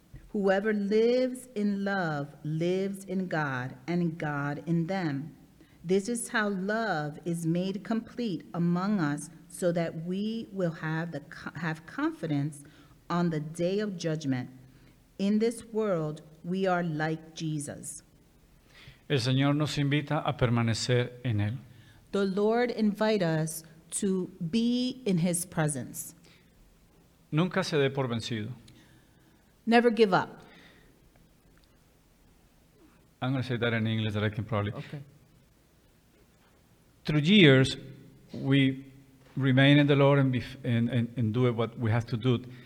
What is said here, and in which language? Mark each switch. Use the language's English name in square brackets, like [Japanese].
[English] Whoever lives in love lives in God and God in them. This is how love is made complete among us so that we will have confidence on the day of judgment. In this world, we are like Jesus. [Spanish] El Señor nos invita a permanecer en Él. [English] The Lord invite us to be in His presence. [Spanish] Nunca se dé por vencido. [English] Never give up. I'm going to say that in English that I can probably. Okay. Through years, we remain in the Lord and do what we have to do.